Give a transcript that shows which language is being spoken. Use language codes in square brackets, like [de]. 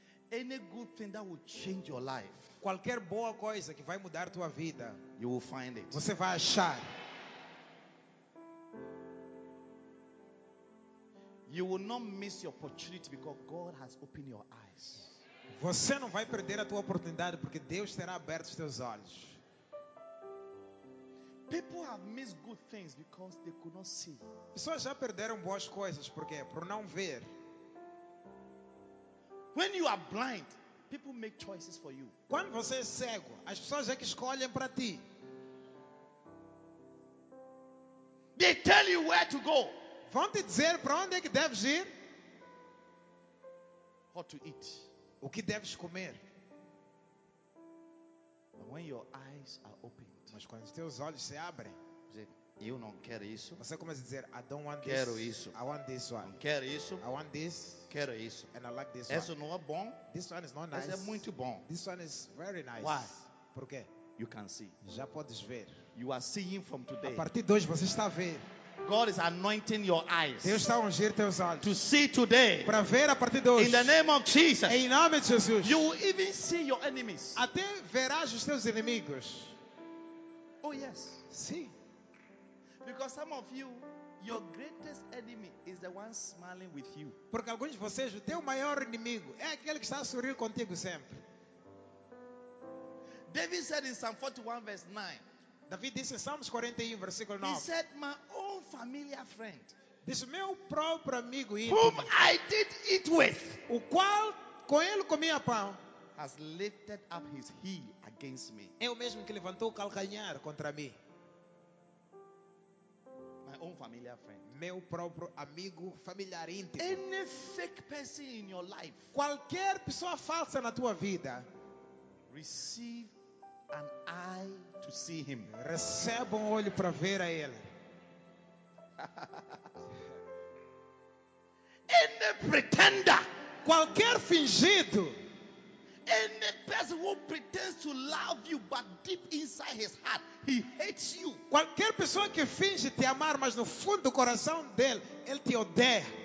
[en] Any good thing that will change your life, [pt] qualquer boa coisa que vai mudar tua vida, [en] you will find it. [pt] Você vai achar. [en] You will not miss your opportunity because God has opened your eyes. [pt] Você não vai perder a tua oportunidade porque Deus terá aberto os teus olhos. [en] People have missed good things because they could not see. [pt] Pessoas já perderam boas coisas porque por não ver. [en] When you are blind, people make choices for you. [pt] Quando você é cego, as pessoas é que escolhem para ti. [en] They tell you where to go. [pt] Vão te dizer para onde é que deves ir? [en] What to eat. [pt] O que deves comer? [en] But when your eyes are opened, [pt] mas quando os teus olhos se abrem, eu não quero isso. Você começa a dizer, [en] I don't want [pt] quero [en] this. [pt] Isso. [en] I want this one. [pt] Não quero isso. [en] I want this. [pt] Quero isso. [en] And I like this [pt] esse [en] one. [pt] Isso não é bom. [en] This one is not nice. [pt] Esse é muito bom. [en] This one is very nice. Why? [pt] Por quê? [en] You can see. [pt] Já podes ver. [en] You are seeing from today. [pt] A partir de hoje você está a ver. [en] God is anointing your eyes. [pt] Deus está ungindo teus olhos. [en] To see today. [pt] Para ver a partir de hoje. [en] In the name of Jesus. [pt] Em nome de Jesus. [en] You will even see your enemies. [pt] Até verás os teus inimigos. [en] Oh yes. [pt] Sim. [en] Because some of you, your greatest enemy is the one smiling with you. [pt] Porque alguns de vocês, o teu maior inimigo é aquele que está a sorrir contigo sempre. [en] David said in Psalm 41 verse 9. [pt] David disse em Salmos 41, versículo 9. [en] He said, my own familiar friend. [pt] Disse, meu próprio amigo íntimo. [en] Whom I did eat with. [pt] O qual com ele comia pão. [en] Has lifted up his heel against me. [pt] É o mesmo que levantou o calcanhar contra mim. [en] My own familiar friend. [pt] Meu próprio amigo familiar íntimo. [en] Any fake person in your life. [pt] Qualquer pessoa falsa na tua vida. [en] Receive an eye to see him. [pt] Receba um olho para ver a ele. [en] pretender, [pt] qualquer fingido, [en] any person who pretends to love you but deep inside his heart he hates you. [pt] Qualquer pessoa que finge te amar mas no fundo do coração dele ele te odeia.